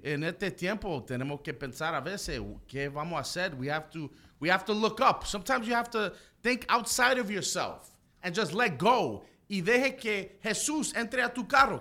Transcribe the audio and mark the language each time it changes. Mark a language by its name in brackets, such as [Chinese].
[Spanish] En este tiempo tenemos que pensar a veces qué vamos a hacer. [English] We have to look up. Sometimes you have to think outside of yourself and just let go. [Spanish] Y deje que Jesús entre a tu carro.